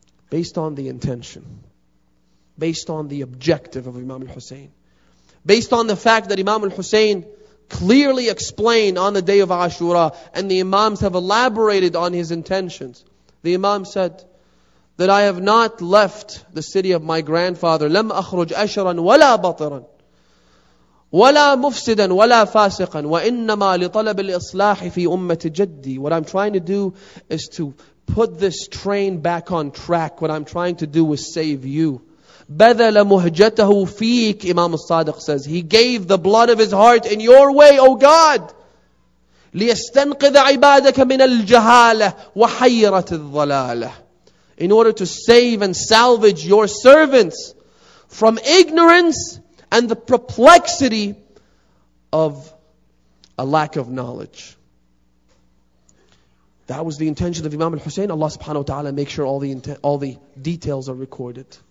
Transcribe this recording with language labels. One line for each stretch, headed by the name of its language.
English: Based on the intention. Based on the objective of Imam al-Husayn. Based on the fact that Imam al-Husayn clearly explained on the day of Ashura, and the Imams have elaborated on his intentions. The Imam said, that I have not left the city of my grandfather.
Arabic: لم أخرج أشرا ولا بطرا ولا مفسدا ولا فاسقا وإنما لطلب الإصلاح في أمة جدي.
English: What I'm trying to do is to put this train back on track. What I'm trying to do is save you.
Arabic: بذل مهجته فيك,
English: Imam al-Sadiq says. He gave the blood of his heart in your way, O God.
Arabic: ليستنقذ عبادك من الجهالة وحيرة الضلالة.
English: In order to save and salvage your servants from ignorance and the perplexity of a lack of knowledge. That was the intention of Imam al-Hussein. Allah subhanahu wa ta'ala make sure all the details are recorded.